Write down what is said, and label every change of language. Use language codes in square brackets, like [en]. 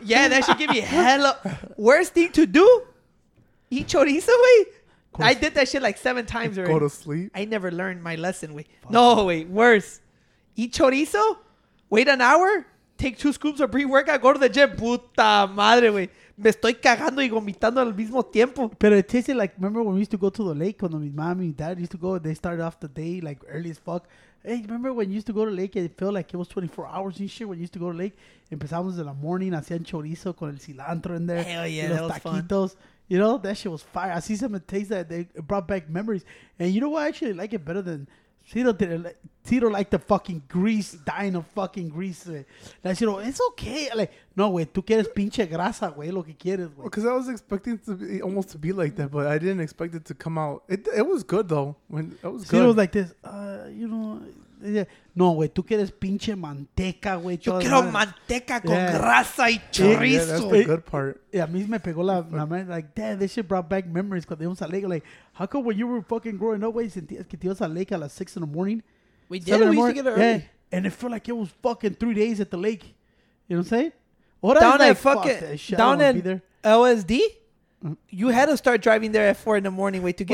[en] Yeah, that should give me hella. Worst thing to do? Eat chorizo, wey? I did that shit like 7 times already. Go to sleep? I never learned my lesson, wey. No, wey. Worse. Eat chorizo? Wait an hour? Take 2 scoops of pre-workout? Go to the gym? [es] Puta madre, wey. Me estoy cagando y vomitando al mismo tiempo. [en] Pero it tasted like, remember when we used to go to the lake when my mom and dad used to go? They started off the day like early as fuck. Hey, remember when you used to go to the lake and it felt like it was 24 hours and shit when you used to go to the lake? [es] Empezamos en la morning, hacían chorizo con el cilantro [en] in there. Hell yeah, that was taquitos. Fun. You know, that shit was fire. I see some taste that they brought back memories. And you know what? I actually like it better than Tito liked the fucking grease, dying of fucking grease. That shit, it's okay. [es] Like, no, güey, tú quieres pinche grasa, güey, lo que quieres, güey. [en] Because I was expecting it almost to be like that, but I didn't expect it to come out. It was good, though. It was like this, you know. [es] Yeah. No, güey, tú quieres pinche manteca, güey. Yo quiero manteca con grasa y chorizo. [en] Yeah, that's the good part. [es] Yeah, a mí me pegó la mano. [en] Like, damn, this shit brought back memories because they went to the lake. Like, how come when you were fucking growing up, güey, [es] sentías que te ibas a la [en] lake [es] a las [en] 6 in the morning? We did. We used to get it early. Yeah. And it felt like it was fucking 3 days at the lake. You know what I'm saying? What down at fucking, fuck down in LSD? You had to start driving there at 4 in the morning, way to get